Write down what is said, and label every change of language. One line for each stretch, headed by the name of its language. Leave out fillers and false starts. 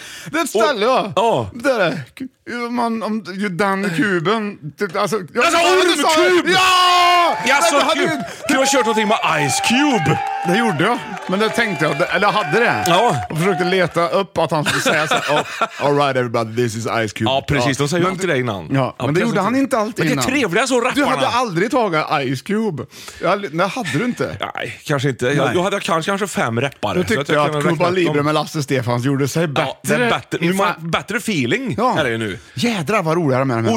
Swedish: Det är ett ställe, och, ja. Det är man, om, den kuben. Alltså, jag ormkub! Ja! Jag sa kub. Du har kört någonting med Ice Cube. Det gjorde jag. Men det tänkte jag. Eller hade det. Ja. Och försökte leta upp att han skulle säga så.
English: Oh, all right everybody, this is Ice Cube.
Swedish: Ja, precis. De säger ju inte det innan. Ja, men det gjorde han inte alltid innan. Vilket trevliga så rapparna. Du hade aldrig tagit Ice Cube. Nej, hade du inte. Nej, kanske inte. Nej. Jag hade kanske 5 rappare. Då tyckte jag att Cuba Libre med Lasse Stefans gjorde sig bättre. Ja, bättre feeling är det ju nu. Jädra vad roligare med den här